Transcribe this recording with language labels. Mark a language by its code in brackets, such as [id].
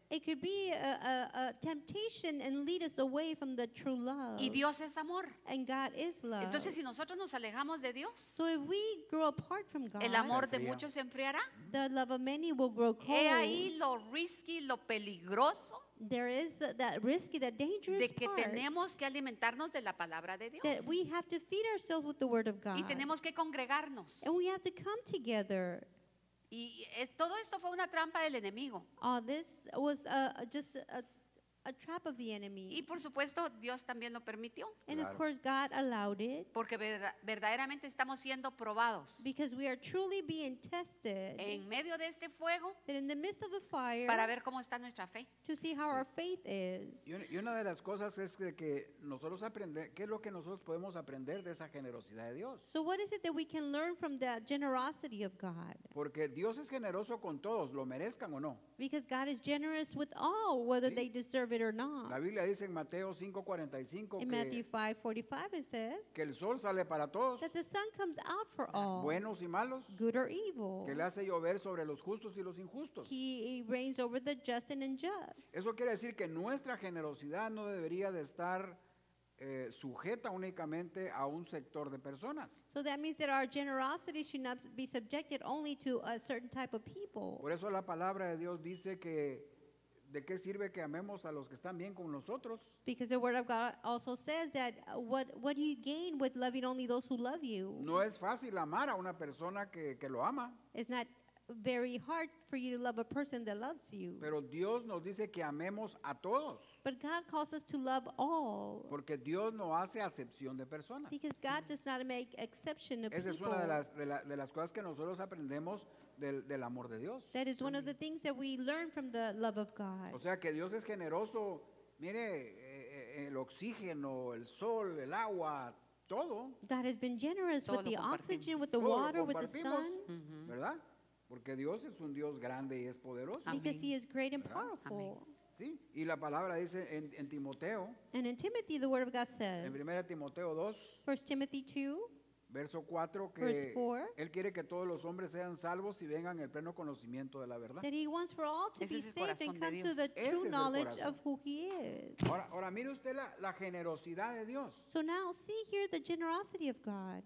[en] It could be a temptation and lead us away from the true love. [es] Y Dios es amor. [en] And God is love. [es] Entonces, si nosotros nos alejamos de Dios, [en] so if we grow apart from God, [es] el amor de muchos se enfriará. [en] The love of many will grow cold. [es] He ahí lo risky, lo peligroso. [en] There is that risky, that dangerous [es] de que [en] part, [es] tenemos que alimentarnos de la palabra de Dios. [en] That we have to feed ourselves with the word of God. [es] Y tenemos que congregarnos. [en] And we have to come together. [es] Y todo esto fue una trampa del enemigo. [en] Oh, this was just a trap of the enemy. [es] Y por supuesto, Dios también lo permitió. [en] And [es] claro, [en] of course, God allowed it. [es] Porque verdaderamente estamos siendo probados. [en] Because we are truly being tested. [es] En medio de este fuego. [en] That in the midst of the fire. [es] Para ver cómo está nuestra fe. [en] To see how our faith is. [es] Y una de las cosas es que nosotros aprender, ¿qué es lo que nosotros podemos aprender de esa generosidad de Dios? [en] So what is it that we can learn from that generosity of God? [es] Porque Dios es generoso con todos, lo merezcan o no. [en] Because God is generous with all, whether they deserve it or not. [es] La Biblia dice en Mateo 5:45 [en] in Matthew 5:45 it says [es] que el sol sale para todos, [en] that the sun comes out for all, [es] buenos y malos, [en] good or evil, [es] que le hace llover sobre los justos y los injustos. [en] He rains over the just and unjust. [es] Eso quiere decir que nuestra generosidad no debería de estar sujeta únicamente a un sector de personas. [en] So that means that our generosity should not be subjected only to a certain type of people. [es] Por eso la palabra de Dios dice que ¿de qué sirve que amemos a los que están bien con nosotros? [en] Because the word of God also says that what do you gain with loving only those who love you? [es] No es fácil amar a una persona que lo ama. [en] It's not very hard for you to love a person that loves you. [es] Pero Dios nos dice que amemos a todos. [en] But God calls us to love all. [es] Porque Dios no hace acepción de personas. [en] Because God does not make exception of [es] esa [en] people. [es] Esa es una de las cosas que nosotros aprendemos del amor de Dios. [en] That is one of the things that we learn from the love of God. [es] O sea que Dios es generoso. Mire, el oxígeno, el sol, el agua, todo. [en] God has been generous [es] todo [en] with the oxygen, with the water, with the sun. [es] ¿Verdad? Porque Dios es un Dios grande y es poderoso. [en] Amén. Because he is great and powerful. [es] Sí. Y la palabra dice en Timoteo. [en] And in Timothy, the word of God says. [es] En 1 Timoteo 2. [en] 1 Timothy 2. [es] Verso 4, que él quiere que todos los hombres sean salvos y vengan al pleno conocimiento de la verdad. [en] That he wants for all to [es] ese [en] be safe and come to the true knowledge of who he is. [es] Ahora mire usted la generosidad de Dios. [en] So now see here the generosity of God.